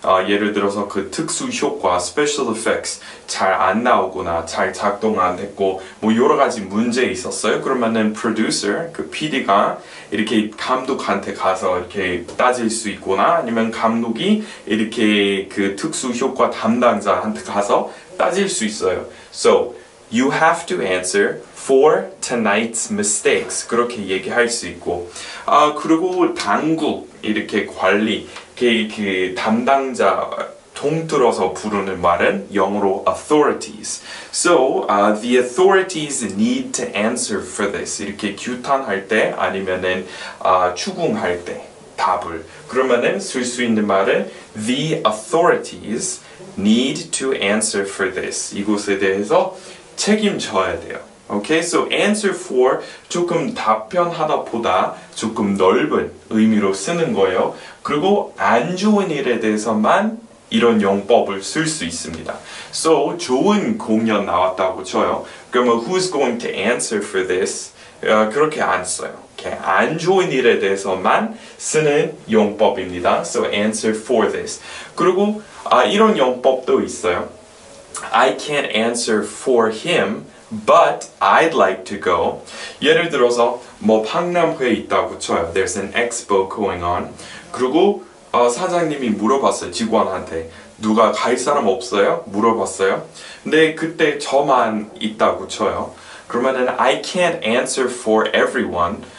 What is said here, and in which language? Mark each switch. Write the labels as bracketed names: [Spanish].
[Korean] 예를 들어서 그 특수 효과 [English] special effects [Korean] 잘 안 나오거나 잘 작동 안 됐고 뭐 여러 가지 문제 있었어요. 그러면은 producer 그 PD가 이렇게 감독한테 가서 이렇게 따질 수 있거나 아니면 감독이 이렇게 그 특수 효과 담당자한테 가서 따질 수 있어요. [English] So You have to answer for tonight's mistakes. [Korean] 그렇게 얘기할 수 있고. 그리고 당국, 이렇게 관리, 그 담당자 통틀어서 부르는 말은 영어로 authorities. [English] So, the authorities need to answer for this. [Korean] 이렇게 규탄할 때 아니면은 추궁할 때 답을. 그러면은 쓸 수 있는 말은 [English] the authorities need to answer for this. [Korean] 이곳에 대해서 책임져야 돼요. [English] Okay, so answer for [Korean] 조금 답변하다 보다 조금 넓은 의미로 쓰는 거예요. 그리고 안 좋은 일에 대해서만 이런 용법을 쓸 수 있습니다. So 좋은 공연 나왔다고 쳐요. 그러면 [English] who's going to answer for this? [Korean] 그렇게 안 써요. Okay, 안 좋은 일에 대해서만 쓰는 용법입니다. [English] So answer for this. [Korean] 그리고 이런 용법도 있어요. [English] I can't answer for him, but I'd like to go. [Korean] 예를 들어서 뭐 박람회 있다고 쳐요. [English] There's an expo going on. [Korean] 그리고 사장님이 물어봤어요. 직원한테 누가 갈 사람 없어요? 물어봤어요. 근데 그때 저만 있다고 쳐요. 그러면은 [English] I can't answer for everyone.